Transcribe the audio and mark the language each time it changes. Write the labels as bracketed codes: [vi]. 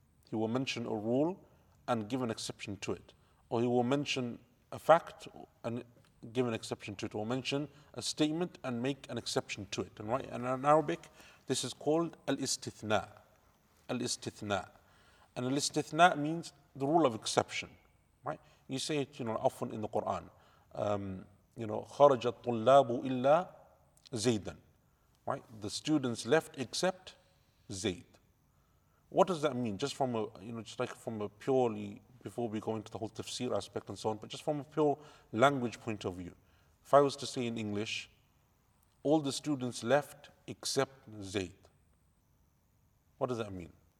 [en] He will mention a rule and give an exception to it. Or he will mention a fact and give an exception to it. Or mention a statement and make an exception to it. And right, and in Arabic, this is called al-istithna. Al-istithna. And al-istithna means the rule of exception. Right? You say it, you know, often in the Quran. you know, [ar] خرج الطلاب إلا زيدا. [en] Right? The students left except Zayd. What does that mean? Just from a, you know, just like from a purely, before we go into the whole tafsir aspect and so on, but just from a pure language point of view. If I was to say in English, all the students left except Zayd. What does that mean?